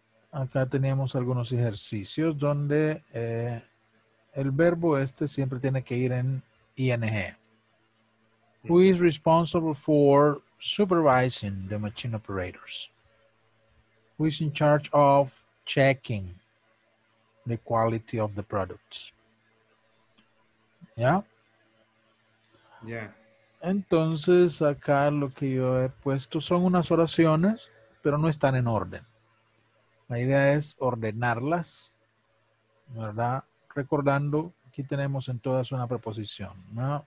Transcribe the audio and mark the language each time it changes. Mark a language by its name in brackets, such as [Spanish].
[Spanish] Acá teníamos algunos ejercicios donde el verbo este siempre tiene que ir en ING. [English] Who is responsible for supervising the machine operators? Who is in charge of checking the quality of the products? Yeah? Yeah. [Spanish] Entonces, acá lo que yo he puesto son unas oraciones, pero no están en orden. La idea es ordenarlas, ¿verdad? Recordando, aquí tenemos en todas una preposición, ¿no?